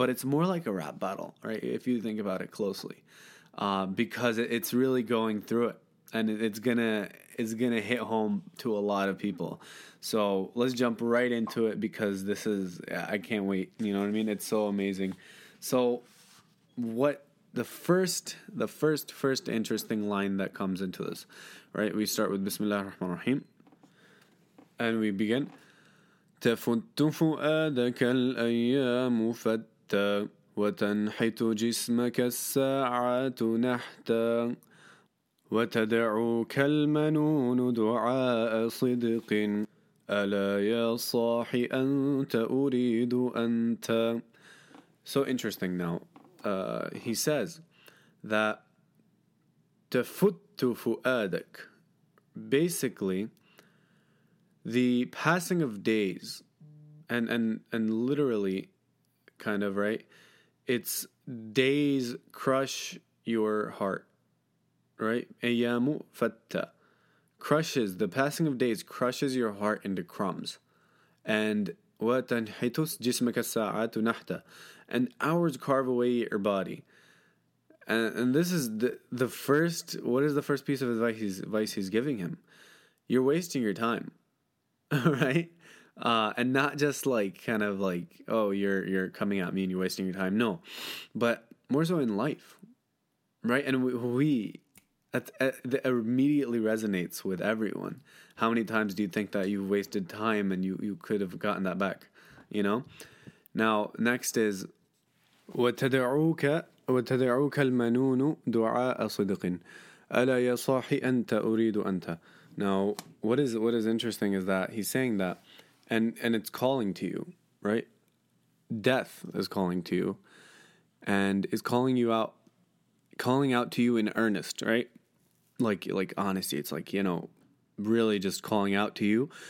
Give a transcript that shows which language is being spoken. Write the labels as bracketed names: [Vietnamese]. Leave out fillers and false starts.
[English] But it's more like a rap battle, right? If you think about it closely. Because it's really going through it, and it's gonna hit home to a lot of people. So let's jump right into it, because this is, I can't wait, you know what I mean? It's so amazing. So what the first interesting line that comes into this, right? We start with Bismillah ar-Rahman ar-Rahim, and we begin. [Arabic] تَفُتُّ فُؤَادَكَ الْأَيَّامُ فَتَّى وتنحت جسمك الساعات نحتا وتدعوك المنون دعاء صدق ألا يا صاحي أنت أريد أنت. [English] So interesting now. He says that [Arabic] تفت فؤادك. [English] Basically, the passing of days and literally kind of, right? It's days crush your heart, right? [Arabic] Ayyamu fatta. [English] Crushes, the passing of days crushes your heart into crumbs. [Arabic] And watanhitus jismaka sa'atu nahta. [English] And hours carve away your body. And this is the first, what is the first piece of advice he's giving him? You're wasting your time, right? And not just like, kind of like, oh, you're coming at me and you're wasting your time. No, but more so in life, right? And that immediately resonates with everyone. How many times do you think that you've wasted time and you could have gotten that back, you know? Now, next is, [Arabic] وَتَدَعُوكَ الْمَنُونُ دُعَاءَ صِدِقٍ أَلَا يَصَاحِ أَنْتَ أُرِيدُ أَنْتَ. [English] Now, what is interesting is that he's saying that, And it's calling to you, right? Death is calling to you and is calling out to you in earnest, right? Like honesty. It's like, you know, really just calling out to you.